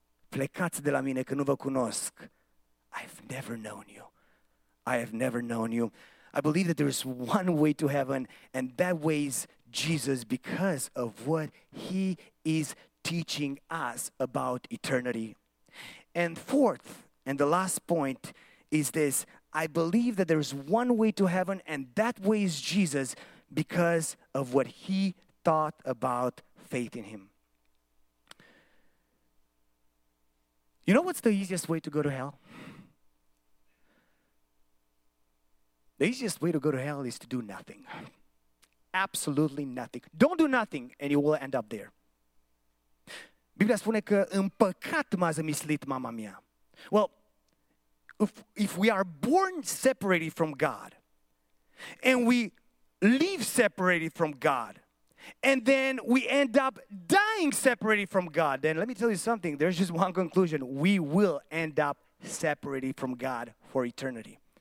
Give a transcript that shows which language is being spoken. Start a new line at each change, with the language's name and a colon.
Romanian: Plecați de la mine că nu vă cunosc.
English: I've never known you. I have never known you. I believe that there is one way to heaven, and that way is Jesus, because of what he is teaching us about eternity. And fourth, and the last point is this. I believe that there is one way to heaven, and that way is Jesus, because of what he taught about faith in him. You know what's the easiest way to go to hell? The easiest way to go to hell is to do nothing. Absolutely nothing. Don't do nothing and you will end up there.
Romanian: Biblia spune că în păcat m-a zămislit mama mea.
English: Well, if we are born separated from God and we live separated from God, and then we end up dying separated from God, then let me tell you something. There's just one conclusion. We will end up separated from God for eternity.